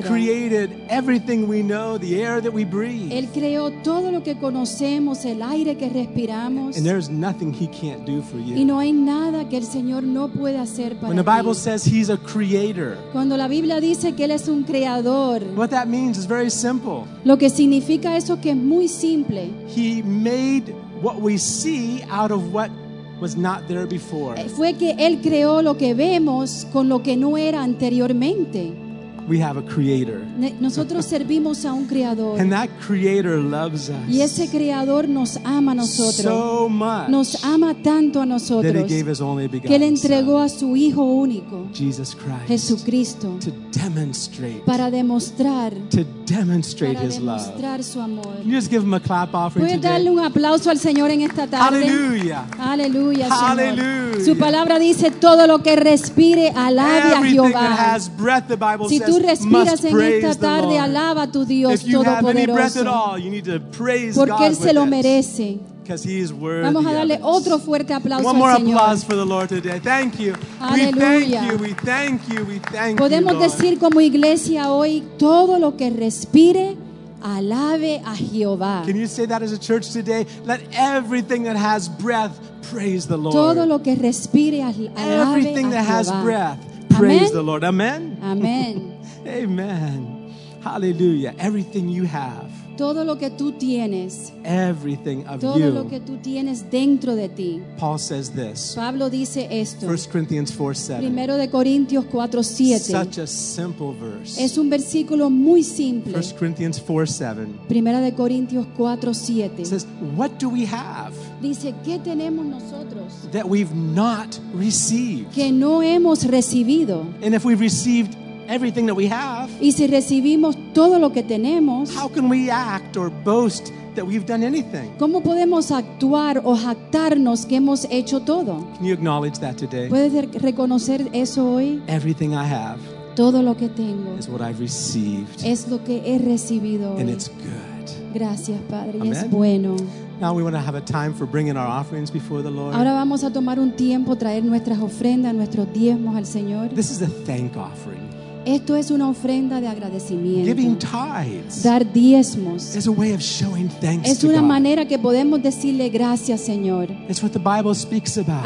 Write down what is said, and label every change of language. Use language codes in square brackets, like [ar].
[en] He created everything we know, the air that we breathe. [es] Él creó todo lo que conocemos, el aire que respiramos. [en] And there's nothing he can't do for you. [es] Y no hay nada que el Señor no puede hacer para ti. [en] When the Bible says he's a creator. [es] Cuando la Biblia dice que él es un creador. [en] What that means is very simple. [es] Lo que significa eso que es muy simple. [en] He made what we see out of what was not there before. [es] Fue que él creó lo que vemos con lo que no era anteriormente. [en] We have a creator. [es] Nosotros servimos a un creador. [en] And that creator loves us. [es] Y ese creador nos ama a nosotros. [en] So much. [es] Nos ama tanto a nosotros. [en] That he gave his only begotten. [es] Que le entregó a su hijo único. [en] Jesus Christ. [es] Jesucristo. [en] To demonstrate. [es] Para demostrar. [en] To demonstrate his love. [es] Para demostrar su amor. [en] Can you just give him a clap offering today? [es] ¿Puedes darle un aplauso al Señor en esta tarde? Aleluya. Aleluya, Señor. Aleluya. Su palabra dice todo lo que respire alabe a Jehová. [en] Everything that has breath, the Bible says. [es] Si tú respiras en esta tarde, alaba a tu Dios Todopoderoso. Porque Él se lo merece. Vamos a darle otro fuerte aplauso al Señor. [en] One more applause for the Lord today. Thank you. [es] Aleluya. [en] We thank you. We thank you. [es] Podemos decir como iglesia hoy, todo lo que respire, alabe a Jehová. [en] Can you say that as a church today? Let everything that has breath praise the Lord. [es] Todo lo que respire, alabe a Jehová. [en] Everything that has breath. Praise the Lord. Amen. Amen. Amen. Hallelujah. Everything you have. [es] Todo lo que tú tienes. [en] Everything of [es] todo [en] you. [es] Todo lo que tú tienes dentro de ti. [en] Paul says this. [es] Pablo dice esto. [en] 1 Corinthians 4:7. [es] Primero de Corintios 4:7. [en] Such a simple verse. [es] Es un versículo muy simple. [en] 1 Corinthians 4:7. [es] Primera de Corintios 4:7. [en] Says, what do we have? [es] Dice, ¿qué tenemos nosotros? [en] That we've not received. [es] Que no hemos recibido. [en] And if we've received everything that we have, [es] y si recibimos todo lo que tenemos, [en] how can we act or boast that we've done anything? [es] ¿Cómo podemos actuar o jactarnos que hemos hecho todo? [en] Can you acknowledge that today? [es] ¿Puedes reconocer eso hoy? [en] Everything I have, [es] todo lo que tengo, [en] is what I've received, [es] es lo que he recibido hoy. [en] And it's good. [es] Gracias, Padre. [en] Amen. [es] Es bueno. [en] Now we want to have a time for bringing our offerings before the Lord. [es] Ahora vamos a tomar un tiempo traer nuestras ofrendas, nuestros diezmos al Señor. [en] This is a thank offering. [es] Esto es una ofrenda de agradecimiento. [en] Giving tithes, [es] dar diezmos, [en] is a way of showing thanks. [es] Es una manera que podemos decirle gracias, Señor. [en] It's what the Bible speaks about.